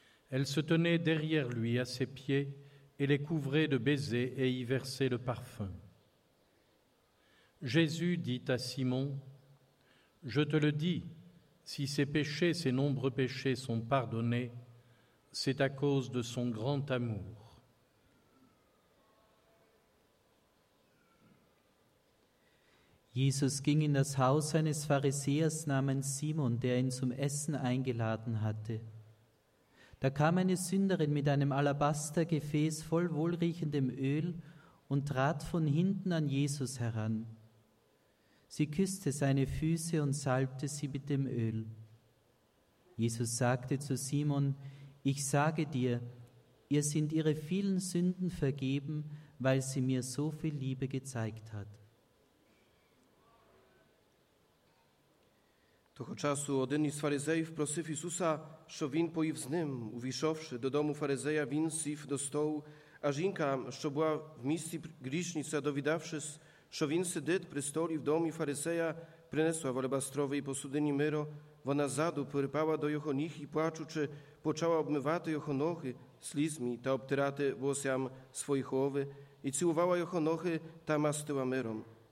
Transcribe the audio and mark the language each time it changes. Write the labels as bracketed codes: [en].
[fr] Elle se tenait derrière lui à ses pieds et les couvrait de baisers et y versait le parfum. Jésus dit à Simon, « Je te le dis, si ses péchés, ses nombreux péchés sont pardonnés, c'est à cause de son grand amour. » [de] Jesus ging in das Haus eines Pharisäers namens Simon, der ihn zum Essen eingeladen hatte. Da kam eine Sünderin mit einem Alabastergefäß voll wohlriechendem Öl und trat von hinten an Jesus heran. Sie küsste seine Füße und salbte sie mit dem Öl. Jesus sagte zu Simon: Ich sage dir, ihr sind ihre vielen Sünden vergeben, weil sie mir so viel Liebe gezeigt hat. [uk] Того часу один із фаризеїв просив Ісуса, що він поїв з ним, увійшовши до дому фаризея, він сів до столу, а жінка, що була в місці грішниця, довідавшись, що він сидить при столі в домі фаризея, принесла в алебастровій посудині миро, вона ззаду припала до його ніг і, плачучи, почала обмивати його ноги слізьми та обтирати волоссям свої голови, і цілувала його ноги та мастила миром.